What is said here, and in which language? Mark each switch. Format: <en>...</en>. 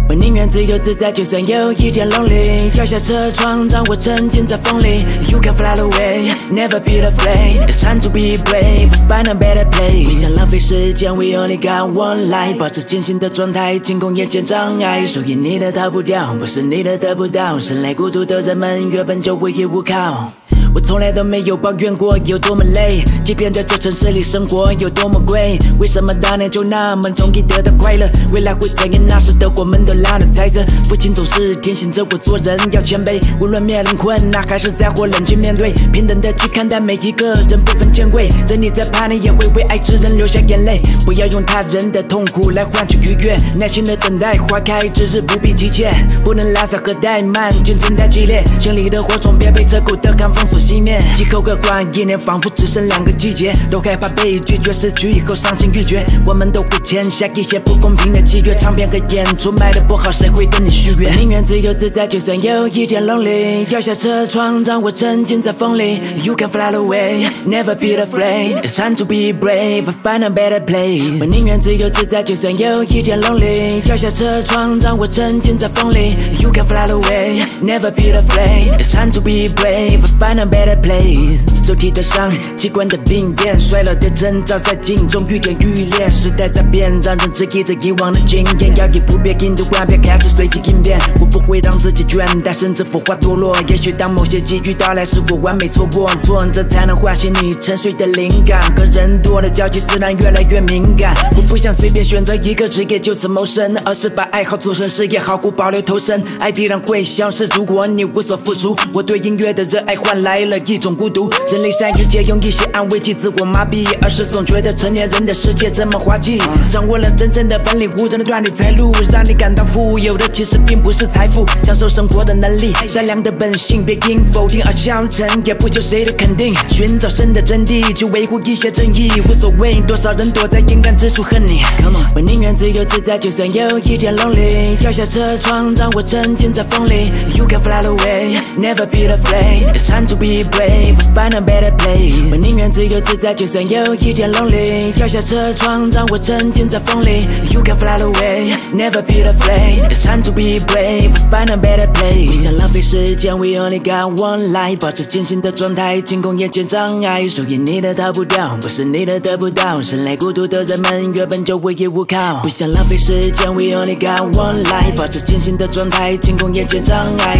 <zh>面自由自在，就算有一点</zh> <en>lonely，</en> <zh>跳下车窗让我沉浸在风里。</zh> <en>You can fly away, never be afraid, it's time to be brave, find a better place。</en> <zh>别想浪费时间，</zh> <en>we only got one life，</en> <zh>保持清醒的状态，清空眼前障碍。属于你的逃不掉，不是你的得不到，生来孤独的人们原本就会义无靠。我从来都没有抱怨过有多么累，即便在这城市里生活有多么贵，为什么当年就那么容易得到快乐，未来会怎样，那时的我们都懒得猜测。父亲总是提醒着我做人要谦卑，无论面临困难还是灾祸冷静面对，平等的去看待每一个人，不分贱贵。任你在怕你也会为爱之人流下眼泪，不要用他人的痛苦来换取愉悦，耐心的等待花开之日不必急切，不能懒散和怠慢，竞争太激烈，心里的火种别被这股的寒风所熄灭。气候和光一年仿佛只剩两个季节，都害怕被拒绝，失去以后伤心欲绝，我们都会签下一些不公平的契约，唱片和演出卖得不好，谁会跟你续约。宁愿自由自在，就算有一点</zh> <en>lonely，</en> <zh>跳下车窗让我沉浸在风里。</zh> <en>You can fly away, never be afraid, it's time to be brave, find a better place。</en> <zh>我宁愿自由自在，就算有一点</zh> <en>lonely，</en> <zh>跳下车窗让我沉浸在风里。</zh> <en>You can fly away, never be afraid, it's time to be brave, find a better place。</en> <zh>肉体的伤，器官的病变，衰老的征兆在镜中愈演愈烈。时代在变，让人质疑着以往的经验，要以不变应对万变，开始随机应变。我不会让自己倦怠，甚至腐化堕落。也许当某些机遇到来时，我完美错过，挫折才能唤醒你沉睡的灵感。和人多的交际自然越来越敏感。我不想随便选择一个职业就此谋生，而是把爱好做成事业，毫无保留投身。爱必然会消失，如果你无所付出，我对音乐的热爱换来了一种孤独。人类善于借用一些安慰剂自我麻痹，而是总觉得成年人的世界这么滑稽。掌握了真正的本领，无人的断你财路，让你感到富有的其实并不是财富，享受生活的能力，善良的本性，别因否定而消沉，也不求谁的肯定，寻找生的真谛，去维护一些正义，无所谓多少人躲在阴暗之处恨你。</zh> <en>Come on，</en> <zh>我宁愿自由自在，就算有一点</zh> <en>lonely，</en> <zh>跳下车窗让我沉浸在风里。</zh> <en>You can fly away, never be afraid, it's time to be brave, find a better place。</en> <zh>我宁愿自由自在，就算有一点</zh> <en>lonely，</en> <zh>跳下车窗让我沉浸在风里。</zh> <en>You can fly away, never be afraid, it's time to be brave, find a better place。</en> <zh>别想浪费时间，</zh> <en>we only got one life，</en> <zh>保持清醒的状态，清空眼前障碍。属于你的逃不掉，不是你的得不到，生来孤独的人们原本就会义无靠。不想浪费时间，</zh> <en>we only got one life，</en> <zh>保持清醒的状态，清空眼前障碍。</zh>